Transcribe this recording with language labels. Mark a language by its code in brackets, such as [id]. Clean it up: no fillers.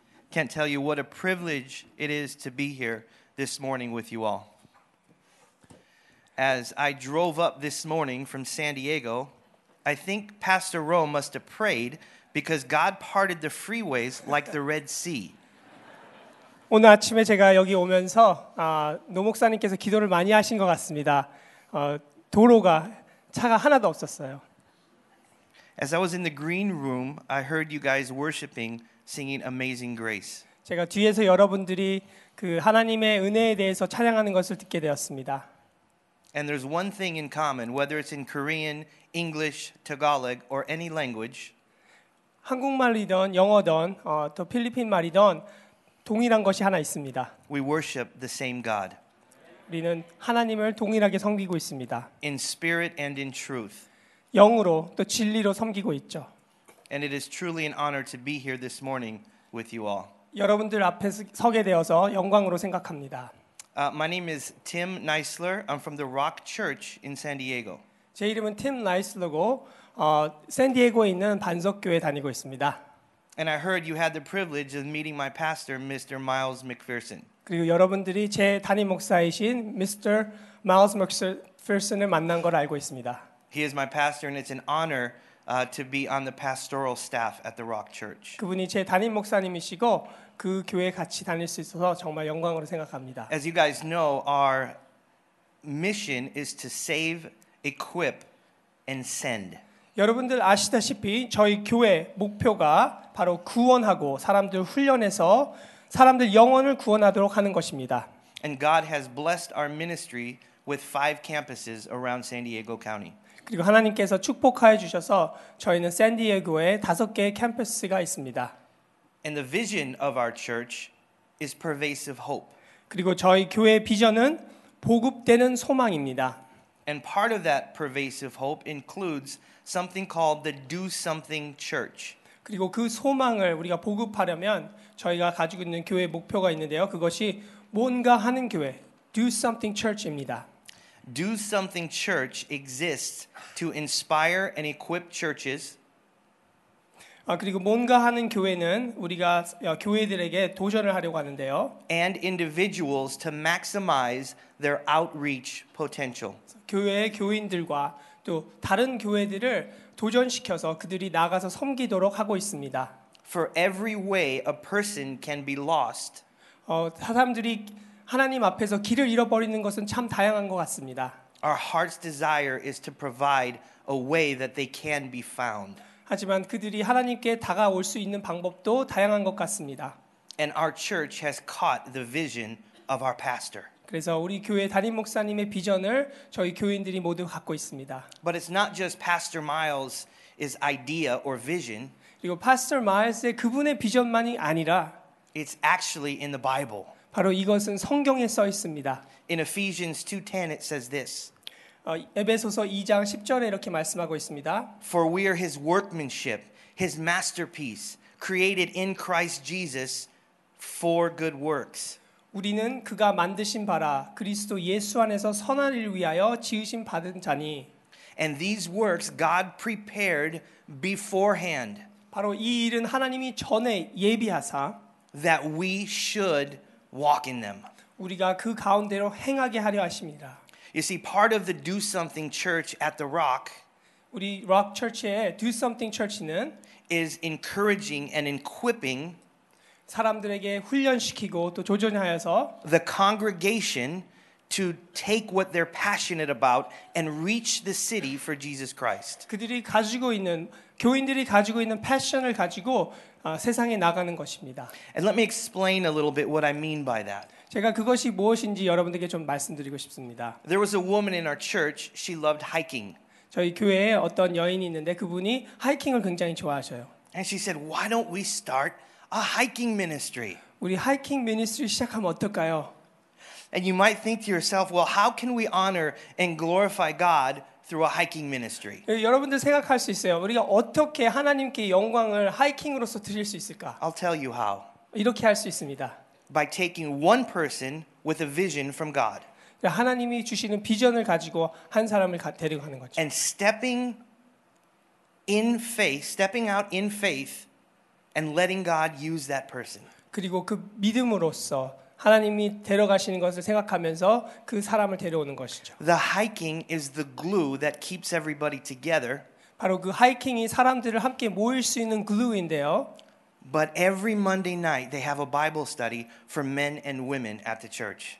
[en] Can't tell you what a privilege it is to be here this morning with you all. As I drove up this morning from San Diego, I think Pastor Rome must have prayed because God parted the freeways like the Red Sea. [ko] 오늘 아침에 제가 여기 오면서 노 목사님께서 기도를 많이 하신 것 같습니다. 도로가 차가 하나도 없었어요. [en] As I was in the green room, I heard you guys worshiping, singing Amazing Grace. [ko] 제가 뒤에서 여러분들이 그 하나님의 은혜에 대해서 찬양하는 것을 듣게 되었습니다. [en] And there's one thing in common, whether it's in Korean, English, Tagalog, or any language. [ko] 한국말이든 영어든 또 필리핀 말이든 동일한 것이 하나 있습니다. [en] We worship the same God. [ko] 우리는 하나님을 동일하게 섬기고 있습니다. [en] In spirit and in truth. [ko] 영으로 또 진리로 섬기고 있죠. [en] And it is truly an honor to be here this morning with you all. [ko] 여러분들 앞에 서게 되어서 영광으로 생각합니다. [en] My name is Tim Neisler. I'm from the Rock Church in San Diego. [ko] 제 이름은 팀 나이슬러고 샌디에고에 있는 반석교회 다니고 있습니다. [en] And I heard you had the privilege of meeting my pastor, Mr. Miles McPherson. [ko] 그리고 여러분들이 제 담임 목사이신 Mr. Miles McPherson을 만난 걸 알고 있습니다. [en] He is my pastor, and it's an honor to be on the pastoral staff at the Rock Church. [ko] 그분이 제 담임 목사님이시고 그 교회 같이 다닐 수 있어서 정말 영광으로 생각합니다. [en] As you guys know, our mission is to save, equip, and send. [ko] 여러분들 아시다시피 저희 교회 목표가 바로 구원하고 사람들 훈련해서 사람들 영혼을 구원하도록 하는 것입니다. [en] And God has blessed our ministry with 5 campuses around San Diego County. [ko] 그리고 하나님께서 축복하여 주셔서 저희는 샌디에고에 5개의 캠퍼스가 있습니다. [en] And the vision of our church is pervasive hope. [ko] 그리고 저희 교회의 비전은 보급되는 소망입니다. [en] And part of that pervasive hope includes something called the Do Something Church. [ko] 그리고 그 소망을 우리가 보급하려면 저희가 가지고 있는 교회의 목표가 있는데요. 그것이 뭔가 하는 교회, Do Something Church입니다. [en] Do Something Church exists to inspire and equip churches. [ko] 그리고 뭔가 하는 교회는 우리가 교회들에게 도전을 하려고 하는데요. [en] And individuals to maximize their outreach potential. [ko] 교회의 교인들과 또 다른 교회들을 도전시켜서 그들이 나가서 섬기도록 하고 있습니다. [en] For every way a person can be lost. [ko] 사람들이 하나님 앞에서 길을 잃어버리는 것은 참 다양한 것 같습니다. [en] Our heart's desire is to provide a way that they can be found. [ko] 하지만 그들이 하나님께 다가올 수 있는 방법도 다양한 것 같습니다. [en] And our church has caught the vision of our pastor. [ko] 그래서 우리 교회 담임 목사님의 비전을 저희 교인들이 모두 갖고 있습니다. [en] But it's not just Pastor Miles's idea or vision. [ko] 그리고 파스터 마일스의 그분의 비전만이 아니라 [en] It's actually in the Bible. [ko] 바로 이것은 성경에 써 있습니다. [en] In Ephesians 2:10 it says this. [ko] 에베소서 2장 10절에 이렇게 말씀하고 있습니다. [en] For we are his workmanship, his masterpiece, created in Christ Jesus for good works. [ko] 우리는 그가 만드신 바라 그리스도 예수 안에서 선한 일을 위하여 지으심 받은 자니. [en] And these works God prepared beforehand. [ko] 바로 이 일은 하나님이 전에 예비하사 [en] that we should walk in them. [ko] 우리가 그 가운데로 행하게 하려 하십니다. [en] You see, part of the Do Something Church at the Rock, [ko] 우리 Rock Church의 Do Something Church는 [en] is encouraging and equipping [ko] 사람들에게 훈련시키고 또 조전하여서 [en] the congregation to take what they're passionate about and reach the city for Jesus Christ. [ko] 그들이 가지고 있는 교인들이 가지고 있는 패션을 가지고 세상에 나가는 것입니다. [en] And let me explain a little bit what I mean by that. [ko] 제가 그것이 무엇인지 여러분들에게 좀 말씀드리고 싶습니다. [en] There was a woman in our church. She loved hiking. [ko] 저희 교회에 어떤 여인이 있는데 그분이 하이킹을 굉장히 좋아하셔요. [en] And she said, "Why don't we start a hiking ministry?" [ko] 우리 하이킹 미니스트리 시작하면 어떨까요? [en] And you might think to yourself, "Well, how can we honor and glorify God through a hiking ministry?" [ko] 여러분들 생각할 수 있어요. 우리가 어떻게 하나님께 영광을 하이킹으로서 드릴 수 있을까? [en] I'll tell you how. [ko] 이렇게 할 수 있습니다. [en] By taking one person with a vision from God. [ko] 하나님이 주시는 비전을 가지고 한 사람을 데리고 가는 거죠. [en] And stepping in faith, stepping out in faith and letting God use that person. [ko] 그리고 그 믿음으로써 하나님이 데려가시는 것을 생각하면서 그 사람을 데려오는 것이죠. [en] The hiking is the glue that keeps everybody together. [ko] 바로 그 하이킹이 사람들을 함께 모일 수 있는 글루인데요. [en] But every Monday night they have a Bible study for men and women at the church.